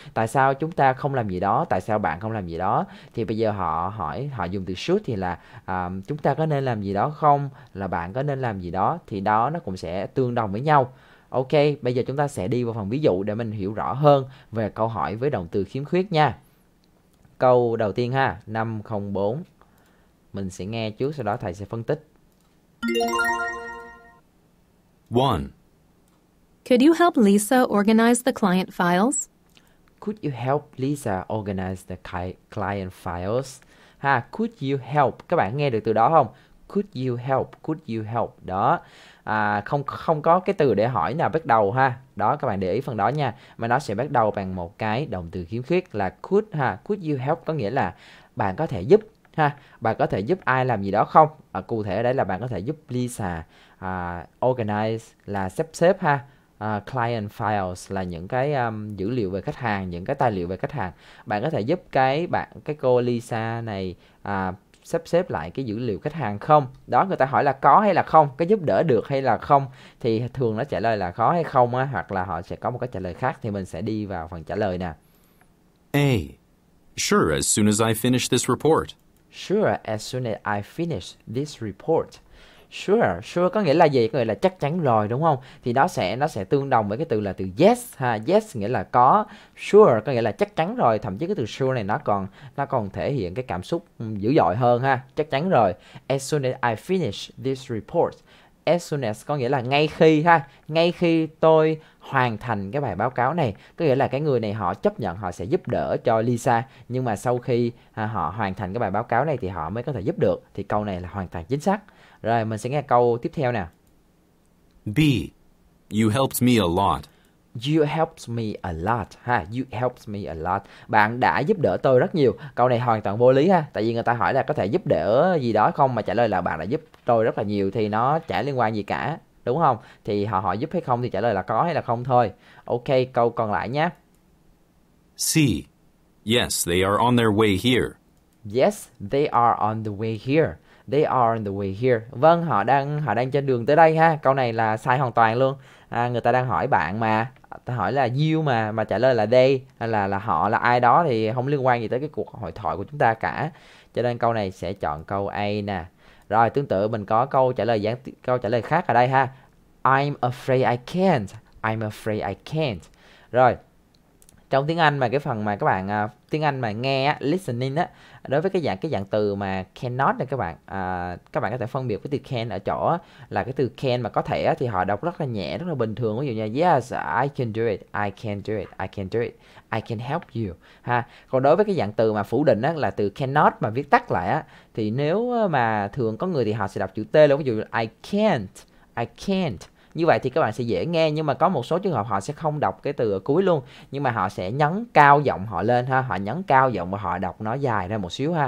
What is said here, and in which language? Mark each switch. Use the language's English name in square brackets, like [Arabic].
[Vietnamese] Tại sao chúng ta không làm gì đó, tại sao bạn không làm gì đó. Thì bây giờ họ hỏi, họ dùng từ should thì là chúng ta có nên làm gì đó không, là bạn có nên làm gì đó, thì đó nó cũng sẽ tương đồng với nhau. Ok, bây giờ chúng ta sẽ đi vào phần ví dụ để mình hiểu rõ hơn về câu hỏi với động từ khiếm khuyết nha. Câu đầu tiên ha, 504. Mình sẽ nghe trước, sau đó thầy sẽ phân tích. [English] 1. Could you help Lisa organize the client files? Could you help Lisa organize the client files? Ha, could you help? [Vietnamese] Các bạn nghe được từ đó không? [English] Could you help? Could you help? [Vietnamese] Đó. Không không có cái từ để hỏi nào bắt đầu ha. Đó, các bạn để ý phần đó nha. Mà nó sẽ bắt đầu bằng một cái động từ khiếm khuyết là could ha. Could you help có nghĩa là bạn có thể giúp ha, bạn có thể giúp ai làm gì đó không? Cụ thể ở đây là bạn có thể giúp Lisa organize là sắp xếp ha, client files là những cái dữ liệu về khách hàng, những cái tài liệu về khách hàng. Bạn có thể giúp cái cô Lisa này sắp xếp lại cái dữ liệu khách hàng không? Đó, người ta hỏi là có hay là không, có giúp đỡ được hay là không, thì thường nó trả lời là có hay không á, hoặc là họ sẽ có một cái trả lời khác, thì mình sẽ đi vào phần trả lời nè. [English] A. Sure, as soon as I finish this report. Sure, as soon as I finish this report. Sure, sure [Vietnamese] có nghĩa là gì? Có nghĩa là chắc chắn rồi đúng không? Thì nó sẽ tương đồng với cái từ là từ yes ha. Yes nghĩa là có. Sure có nghĩa là chắc chắn rồi. Thậm chí cái từ sure này nó còn thể hiện cái cảm xúc dữ dội hơn ha. Chắc chắn rồi. [English] As soon as I finish this report. [Vietnamese] As soon as có nghĩa là ngay khi ha. Ngay khi tôi hoàn thành cái bài báo cáo này, có nghĩa là cái người này họ chấp nhận, họ sẽ giúp đỡ cho Lisa, nhưng mà sau khi họ hoàn thành cái bài báo cáo này thì họ mới có thể giúp được. Thì câu này là hoàn toàn chính xác. Rồi, mình sẽ nghe câu tiếp theo nè. [English] B. You helped me a lot. You helped me a lot ha, you helped me a lot. [Vietnamese] Bạn đã giúp đỡ tôi rất nhiều. Câu này hoàn toàn vô lý ha, tại vì người ta hỏi là có thể giúp đỡ gì đó không mà trả lời là bạn đã giúp tôi rất là nhiều thì nó chả liên quan gì cả, đúng không? Thì họ hỏi giúp hay không thì trả lời là có hay là không thôi. Ok, câu còn lại nhé. [English] C. Yes, they are on their way here. Yes, they are on the way here. They are on the way here. [Vietnamese] Vâng, họ đang trên đường tới đây ha. Câu này là sai hoàn toàn luôn. Người ta đang hỏi bạn mà, ta hỏi là you mà trả lời là they, là họ là ai đó thì không liên quan gì tới cái cuộc hội thoại của chúng ta cả. Cho nên câu này sẽ chọn câu A nè. Rồi, tương tự mình có câu trả lời khác ở đây ha. [English] I'm afraid I can't. I'm afraid I can't. Rồi. [Vietnamese] Trong tiếng Anh mà cái phần mà các bạn tiếng Anh mà nghe á, listening á, đối với cái dạng từ mà cannot này các bạn có thể phân biệt với từ can ở chỗ á, là cái từ can mà có thể á, thì họ đọc rất là nhẹ, rất là bình thường. Ví dụ như [English] yes, I can do it, I can do it, I can do it, I can help you [Vietnamese] ha. Còn đối với cái dạng từ mà phủ định á, là từ cannot mà viết tắt lại á, thì nếu mà thường có người thì họ sẽ đọc chữ T luôn. Ví dụ như [English] I can't, I can't. [Vietnamese] Như vậy thì các bạn sẽ dễ nghe, nhưng mà có một số trường hợp họ sẽ không đọc cái từ ở cuối luôn, nhưng mà họ sẽ nhấn cao giọng họ lên ha, họ nhấn cao giọng và họ đọc nó dài ra một xíu ha.